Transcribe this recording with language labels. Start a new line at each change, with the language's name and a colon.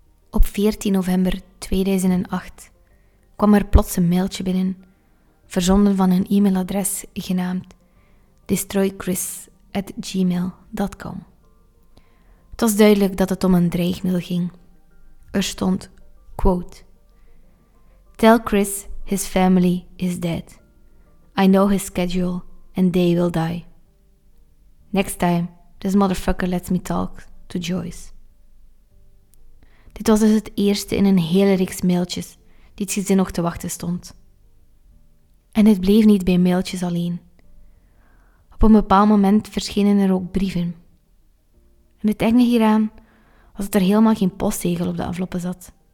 Dutch: Op 14 november 2008 kwam er plots een mailtje binnen, verzonden van een e-mailadres genaamd destroychris@gmail.com. Het was duidelijk dat het om een dreigmail ging. Er stond, quote,
English: "Tell Chris his family is dead. I know his schedule and they will die. Next time this motherfucker lets me talk to Joyce."
Dutch: Dit was dus het eerste in een hele reeks mailtjes die het gezin nog te wachten stond. En het bleef niet bij mailtjes alleen. Op een bepaald moment verschenen er ook brieven. En het enge hieraan was dat er helemaal geen postzegel op de enveloppen zat.